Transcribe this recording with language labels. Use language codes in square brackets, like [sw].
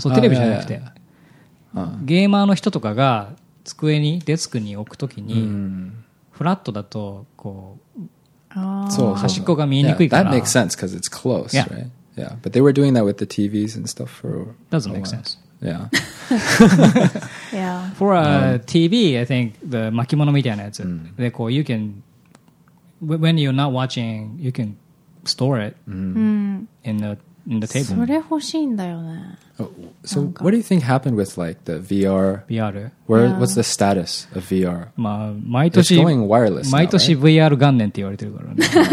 [ja] そう、テレビじゃなくて。ゲーマーの人とかが机に、デスクに置くときに、フラットだとこう、 [en] Yeah, that makes sense because it's close, right? Yeah, but they were doing that with the TVs and stuff for. Doesn't make sense. Yeah. Yeah. For a TV, I think the [ja] 巻物みたいなやつ、でこう [en] you can when you're not watching, you can store it in the table. [ja] それ欲しいんだよね。 [en] So what do you think happened with like the VR? VR. What's the status of VR? [ja] まあ毎年 [en] It's going wireless. [ja] 毎年 VR 元年って言われてるからね。